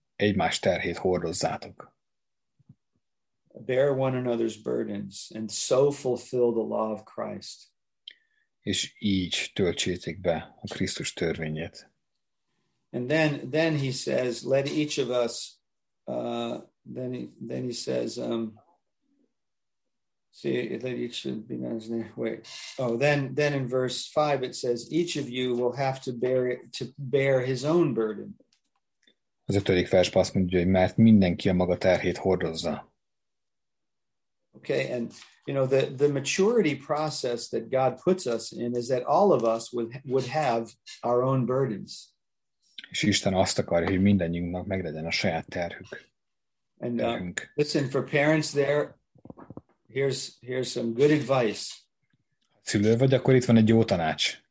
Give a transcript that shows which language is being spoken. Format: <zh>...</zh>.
<hu>egymás terhét hordozzátok.</hu> <en>Bear one another's burdens and so fulfill the law of Christ.</en> <hu>És így töltsétek be a Krisztus törvényét.</hu> <en>And then he says, let each of us then in verse 5 it says each of you will have to bear his own burden.</en> <hu>Az ötödik versben azt mondja, hogy mert mindenki a maga terhét hordozza.</hu> <en>Okay, and you know the maturity process that God puts us in is that all of us would have our own burdens.</en> <hu>És Isten azt akarja, hogy mindannyiunknak meglegyen a saját terhük.</hu> <en>And listen, for parents there, here's some good advice.</en> <hu>Szülő vagy, akkor itt van egy jó tanács.</hu>